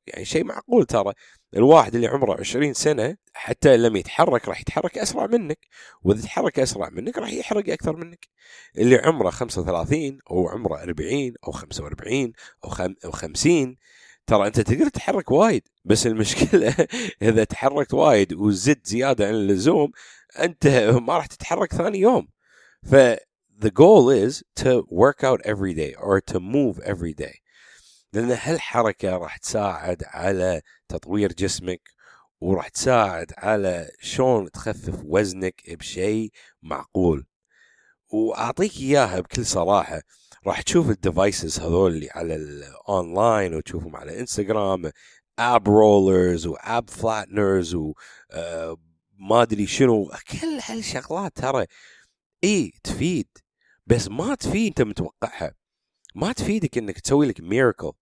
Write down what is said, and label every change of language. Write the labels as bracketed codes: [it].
[ar] يعني شيء معقول، ترى الواحد اللي عمره 20 سنة حتى لم يتحرك راح يتحرك أسرع منك، وإذا تحرك أسرع منك راح يحرق أكثر منك. اللي عمره 35 أو عمره 40 أو 45 أو 50 ترى أنت تقدر تحرك وايد، بس المشكلة إذا تحركت وايد وزد زيادة عن اللزوم أنت ما راح تتحرك ثاني يوم. [en] ف The goal is to work out every day or to move every day. [ar] لأن هالحركة راح تساعد على تطوير جسمك وراح تساعد على شلون تخفف وزنك بشيء معقول. وأعطيك إياها بكل صراحة، راح تشوف الديفايسز هذول اللي على الأونلاين وتشوفهم على إنستغرام، أب رولرز وأب فلاتنرز وما أدري شنو، كل هالشغلات ترى إيه تفيد بس ما تفيد انت متوقعها، ما تفيدك انك تسوي لك ميركل.